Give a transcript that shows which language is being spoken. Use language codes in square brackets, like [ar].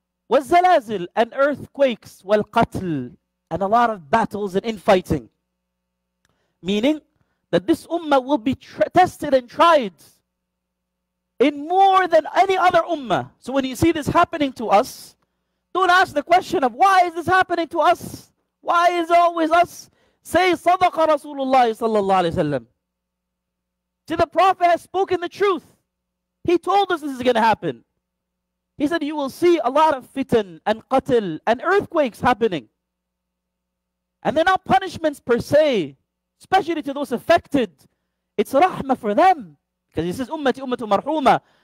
[ar] والزلازل, [en] and earthquakes, [ar] والقتل, [en] and a lot of battles and infighting. Meaning that this ummah will be tested and tried in more than any other ummah. So when you see this happening to us, don't ask the question of why is this happening to us? Why is it always us? Say, [ar] صَدَقَ رَسُولُ اللَّهِ صَلَّى اللَّهِ عَلَيْهِ وَسَلَّمُ. [en] See, the Prophet has spoken the truth. He told us this is going to happen. He said, you will see a lot of fitan and qatil and earthquakes happening. And they're not punishments per se, especially to those affected. It's rahmah for them. Because he says, [ar] ummati ummatu marhuma.